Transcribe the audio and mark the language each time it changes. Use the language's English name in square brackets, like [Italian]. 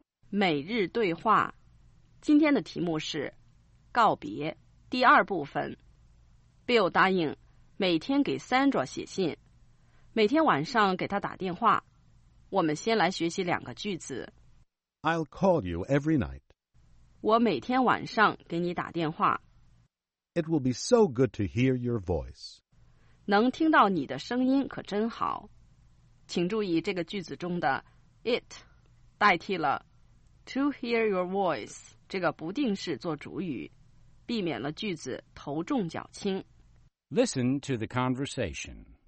[Chinese] 每日对话，今天的题目是告别第二部分。 Bill 答应每天给 Sandra 写信，每天晚上给他打电话。我们先来学习两个句子。 [English] I'll call you every night. [Chinese] 我每天晚上给你打电话。 [English] It will be so good to hear your voice. [Chinese] 能听到你的声音可真好。请注意这个句子中的 it 代替了 [English] to hear your voice [Chinese] 这个不定式做主语，避免了句子头重脚轻。 [English] Listen to the conversation.